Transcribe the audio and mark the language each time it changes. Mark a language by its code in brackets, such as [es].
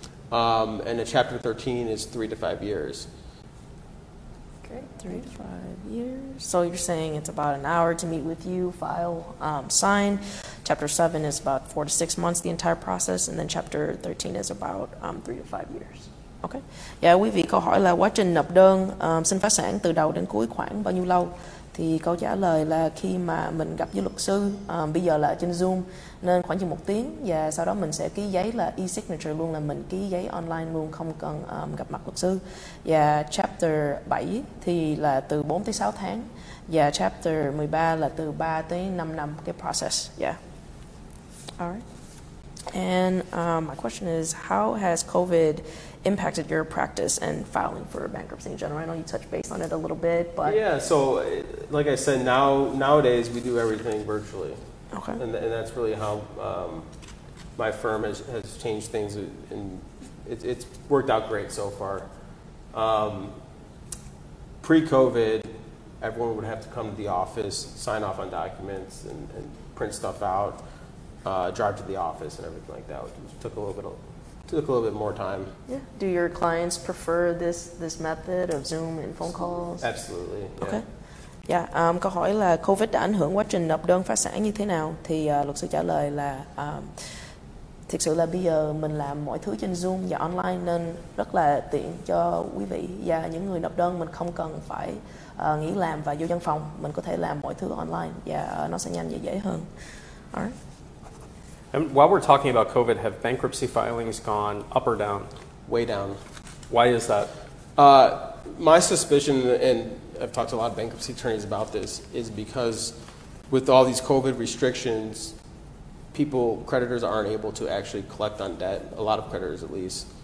[en] And a Chapter 13 is 3 to 5 years. Right, 3 to 5 years. So you're saying it's about an hour to meet with you, file, sign. Chapter 7 is about 4 to 6 months, the entire process, and then Chapter 13 is about 3 to 5 years. Okay. [vi] Yeah, quý vị câu hỏi là quá trình nộp đơn xin phá sản từ đầu đến cuối khoảng bao nhiêu lâu? Thì câu trả lời là khi mà mình gặp với luật sư, bây giờ là trên Zoom, nên khoảng chừng 1 tiếng, và sau đó mình sẽ ký giấy là e-signature luôn, là mình ký giấy online luôn, không cần gặp mặt luật sư. Và Chapter 7 thì là từ 4 tới 6 tháng, và Chapter 13 là từ 3 tới 5 năm, cái process. [en] Yeah. All right. And my question is, how has COVID impacted your practice and filing for bankruptcy in general? I know you touched base on it a little bit, but yeah. So, like I said, nowadays we do everything virtually. Okay. And that's really how my firm has changed things, and it's worked out great so far. Pre-COVID, everyone would have to come to the office, sign off on documents, and print stuff out, drive to the office, and everything like that, which took a little bit of. Took a little bit more time. Yeah. Do your clients prefer this method of Zoom and phone calls? Absolutely. Yeah. Okay. Yeah. [vi] Câu hỏi là COVID đã ảnh hưởng quá trình nộp đơn phá sản như thế nào? Thì luật sư trả lời là thực sự là bây giờ mình làm mọi thứ trên Zoom và online nên rất là tiện cho quý vị và những người nộp đơn. Mình không cần phải nghỉ làm và vô văn phòng. Mình có thể làm mọi thứ online và nó sẽ nhanh và dễ hơn. [en] All right. And while we're talking about COVID, have bankruptcy filings gone up or down? Way down. Why is that? My suspicion, and I've talked to a lot of bankruptcy attorneys about this, is because with all these COVID restrictions, creditors aren't able to actually collect on debt, a lot of creditors at least.